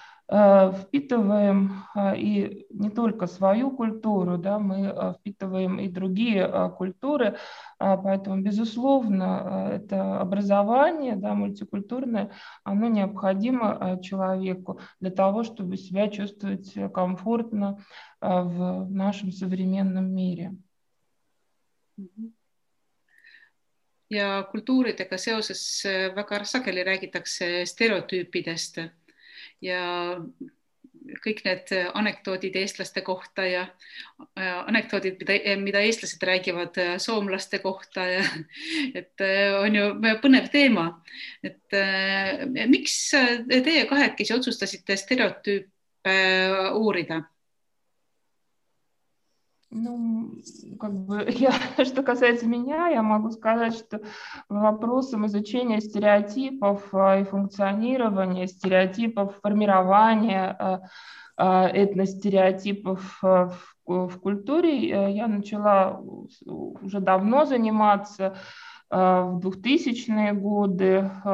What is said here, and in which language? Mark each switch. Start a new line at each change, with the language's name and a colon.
Russian: впитываем и не только свою культуру, да, мы впитываем и другие культуры, поэтому, безусловно, это образование, да, мультикультурное, оно необходимо человеку для того, чтобы себя чувствовать комфортно в нашем современном мире.
Estonian: Ja kultuuridega seoses väga sageli räägitakse stereotüüpidest. Ja kõik need anekdoodid eestlaste kohta ja anekdoodid, mida eestlased räägivad soomlaste kohta, ja, et on ju põnev teema. Et, miks teie kahekesi otsustasite stereotüüpe uurida?
Russian: Ну, как бы, я, что касается меня, я могу сказать, что вопросом изучения стереотипов и функционирования стереотипов, формирования этностереотипов в культуре я начала уже давно заниматься в 2000-е годы.